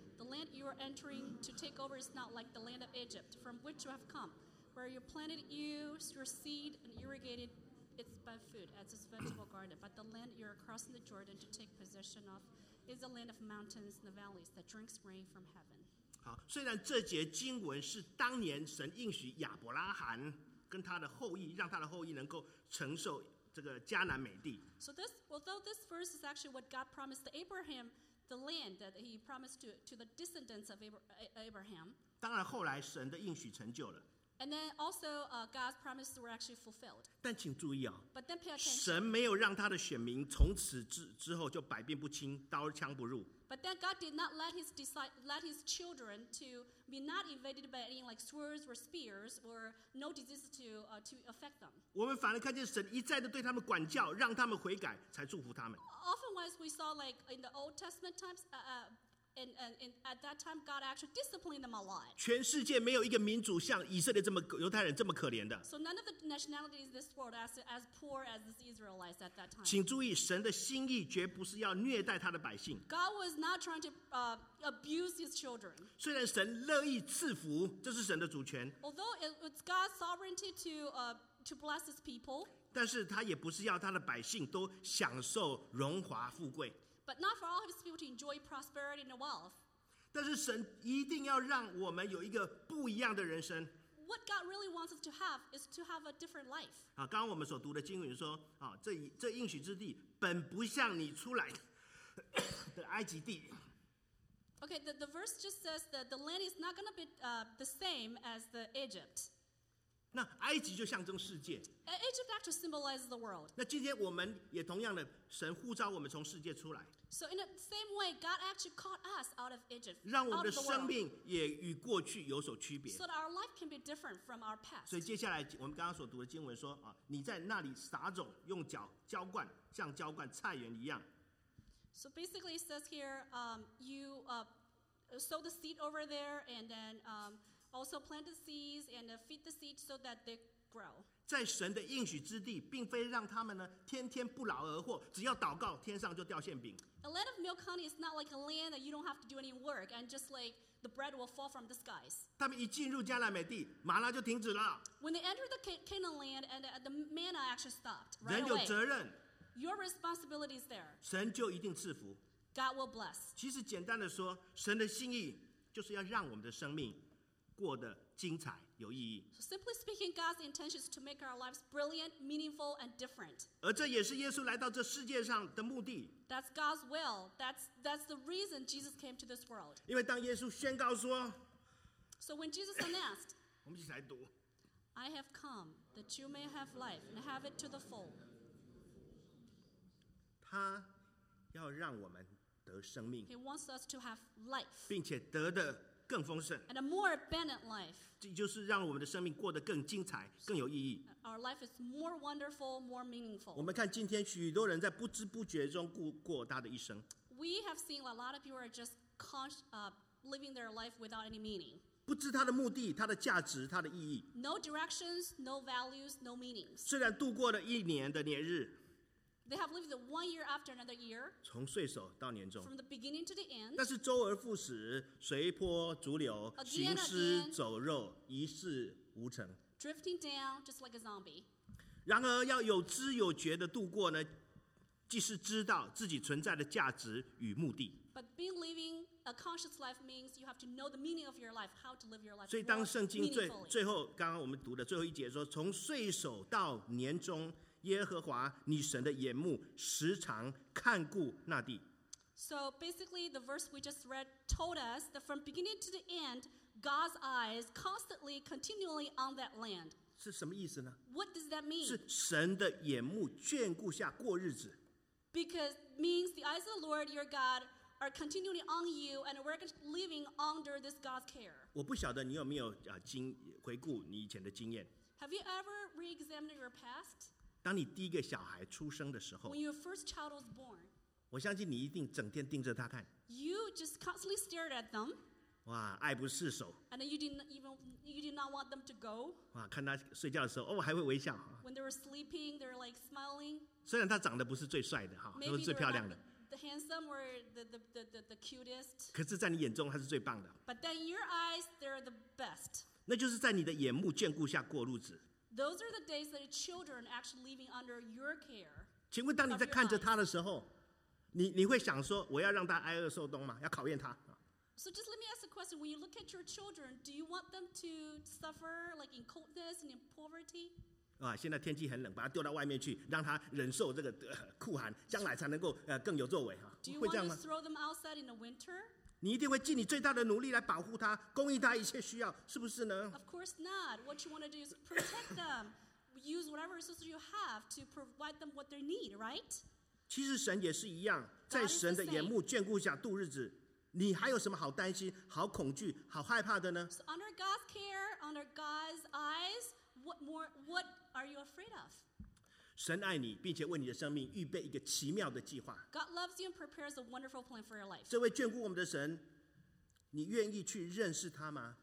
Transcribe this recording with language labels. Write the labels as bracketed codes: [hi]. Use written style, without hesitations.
[en] The land you are entering to take over is not like the land of Egypt, from which you have come, where you planted your seed and irrigated its by food as its vegetable garden. But the land you are crossing the Jordan to take possession of is a land of mountains and the valleys that drinks rain from heaven. [zh] 好，虽然这节经文是当年神应许亚伯拉罕跟他的后裔，让他的后裔能够承受这个迦南美地。 [en] So this, although this verse is actually what God promised Abraham, the land that He promised to the descendants of Abraham. [zh] 当然，后来神的应许成就了。 [en] And then also, God's promises were actually fulfilled. [zh] 但请注意啊、 [en] 哦、，But then pay attention. [zh] 神没有让他的选民从此之后就百变不侵，刀枪不入。 [en] But then God did not let his children to be not invaded by any like swords or spears or no diseases to affect them. [zh] 我们反而看见神一再的对他们管教，让他们悔改，才祝福他们。 [en] Oftenwise we saw like in the Old Testament times, and at that time God actually disciplined them a lot. [zh] 全世界没有一个民族像以色列这么犹太人这么可怜的。 [en] So none of the nationalities in this world as poor as the Israelites at that time. [zh] 请注意，神的心意绝不是要虐待他的百姓。 [en] God was not trying to abuse his children. [zh] 虽然神乐意赐福，这是神的主权。 [en] Although it's God's sovereignty to bless his people. [zh] 但是他也不是要他的百姓都享受荣华富贵。 [en] But not for all of his people to enjoy prosperity and wealth. [zh] 但是神一定要让我们有一个不一样的人生。 [en] What God really wants us to have is to have a different life. [zh] 刚刚我们所读的经文说，这应许之地本不像你出来的埃及地。 [en] Okay, the verse just says that the land is not going to be the same as the Egypt. [zh] 那埃及就象征世界。 [en] Egypt actually symbolizes the world. [zh] 那今天我们也同样的，神呼召我们从世界出来。 [en] So in the same way, God actually called us out of Egypt. [zh] 让我们的生命也与过去有所区别。 [en] So that our life can be different from our past. [zh] 所以接下来我们刚刚所读的经文说啊，你在那里撒种，用脚浇灌，像浇灌菜园一样。 [en] So basically, it says here, sow the seed over there, and then, also plant the seeds and feed the seeds so that they grow. [zh] 在神的应许之地，并非让他们呢天天不劳而获，只要祷告，天上就掉馅饼。 [en] A land of milk honey is not like a land that you don't have to do any work and just like the bread will fall from the skies. [zh] 他们一进入迦南美地，玛拉就停止了。 [en] When they entered the Canaan land and the manna actually stopped right away. [zh] 人有责任。 [en] Your responsibility is there. [zh] 神就一定赐福。 [en] God will bless. [zh] 其实简单的说，神的心意就是要让我们的生命。过得精彩有意义。 [en] So simply speaking, God's intention is to make our lives brilliant, meaningful, and different. [zh] 而这也是耶稣来到这世界上的目的。 [en] That's God's will. That's the reason Jesus came to this world. [zh] 因为当耶稣宣告说 [en] ，So when Jesus announced, [zh] 我们一起来读 [en] ，I have come that you may have life and have it to the full. [zh] 他要让我们得生命。 [en] He wants us to have life. [zh] 并且得的。更丰盛 [en] and a more abundant life. [zh] 这就是让我们的生命过得更精彩，更有意义。 [en] Our life is more wonderful, more meaningful. [zh] 我们看今天许多人在不知不觉中过他的一生。 [en] We have seen a lot of people are just living their life without any meaning. [zh] 不知他的目的、他的价值、他的意义。 [en] No directions, no values, no meanings. [zh] 虽然度过了一年的年日。 [en] They have lived one year after another year. [zh] 从岁首到年终。 [en] From the beginning to the end. [zh] 但是周而复始，随波逐流，行尸走肉，一事无成。 [en] Drifting down just like a zombie. [zh] 然而要有知有觉的度过呢，既是知道自己存在的价值与目的。 [en] But being living a conscious life means you have to know the meaning of your life, how to live your life. [zh] 所以当圣经最后刚刚我们读的最后一节说，从岁首到年终，耶和华你神的眼目时常看顾那地。 [en] So basically, the verse we just read told us that from beginning to the end, God's eyes constantly, continually on that land. [zh] 是什么意思呢？ [en] What does that mean? [zh] 是神的眼目眷顾下过日子。 [en] Because means the eyes of the Lord your God are continually on you, and we're living under this God's care. [zh] 我不晓得你有没有回顾你以前的经验。 [en] Have you ever re-examined your past? [zh] 当你第一个小孩出生的时候。 [en] When your first child was born. [zh] 我相信你一定整天盯着他看。 [en] You just constantly stared at them. [zh] 哇，爱不释手。 [en] And you did not want them to go. [zh] 哇，看他睡觉的时候，哦，还会微笑。 [en] When they were sleeping, they're like smiling. [zh] 虽然他长得不是最帅的哈，不是最漂亮的。 [en] Maybe they're not the handsome or the cutest. [zh] 可是，在你眼中，他是最棒的。 [en] But then in your eyes, they're the best. [zh] 那就是在你的眼目眷顾下过日子。 [en] Those are the days that children actually living under your care. [zh] 请问，当你在看着他的时候。你会想说我要让他挨饿受冻吗？要考验他。 [en] So just let me ask a question. When you look at your children, do you want them to suffer like in coldness and in poverty? [zh] 啊，现在天气很冷，把他丢到外面去，让他忍受这个酷寒，将来才能够更有作为啊。 [en] Do you want to throw them outside in the winter? [zh] 你一定会尽你最大的努力来保护他，供应他一切需要，是不是呢 [en] ？Of course not. What you want to do is protect them. Use whatever resources you have to provide them what they need, right? [zh] 其实神也是一样，在神的眼目眷顾下度日子，你还有什么好担心、好恐惧、好害怕的呢 [en] ？So under God's care, under God's eyes, what are you afraid of? [zh] 神爱你，并且为你的生命预备一个奇妙的计划。 [en] God loves you and prepares a wonderful plan for your life. [zh] 这位眷顾我们的神，你愿意去认识他吗？